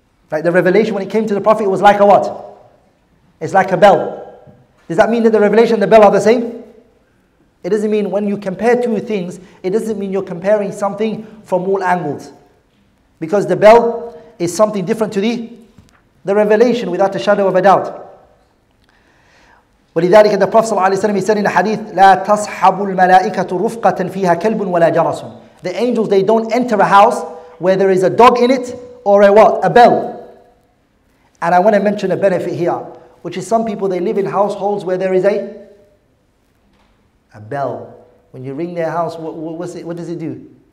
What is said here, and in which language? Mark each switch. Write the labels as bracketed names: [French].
[English] Like the revelation when it came to the Prophet, it was like a what? It's like a bell. Does that mean that the revelation and the bell are the same? It doesn't mean when you compare two things, it doesn't mean you're comparing something from all angles. Because the bell is something different to the revelation without a shadow of a doubt. [Arabic] ولذلك [English] the Prophet [Arabic] صلى الله عليه وسلم [English] said in a hadith, [Arabic] لا تصحب الملائكة رفقة فيها كلب ولا جرس. [English] The angels, they don't enter a house where there is a dog in it or a what? A bell. And I want to mention a benefit here, which is some people, they live in households where there is a bell. When you ring their house, what does it do?